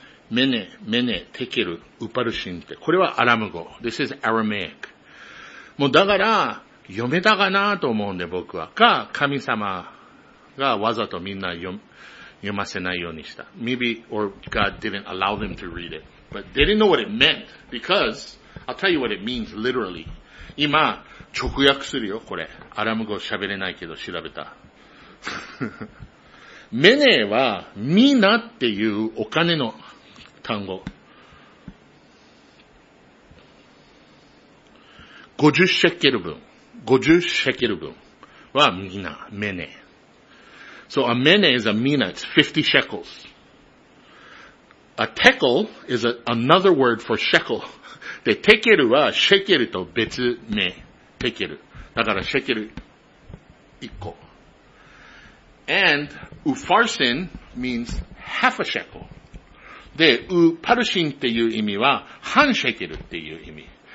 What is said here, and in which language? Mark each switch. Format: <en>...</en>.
<ja>メネメネテケルウパルシンってこれはアラム語。</ja> <en>This is Aramaic.</en> <ja>もうだから。読めたかなと思うんで僕は。か、神様がわざとみんな読ませないようにした。</ja> <en>Maybe, or God didn't allow them to read it. But they didn't know what it meant. Because, I'll tell you what it means literally.</en> <ja>今、直訳するよ、これ。アラム語喋れないけど調べた。メネは、ミナっていうお金の単語。 50シェケル分。50シェケル分はミナ、メネ。</ja> <en>So a メネ is a mina, it's 50 shekels. A tekel is another word for shekel.</en> <ja>で、テケルはシェケルと別名。テケル。だからシェケル1個。</ja> <en>And ウファルシン means half a shekel.</en> <ja>で、ウパルシンっていう意味は半シェケルっていう意味。</ja>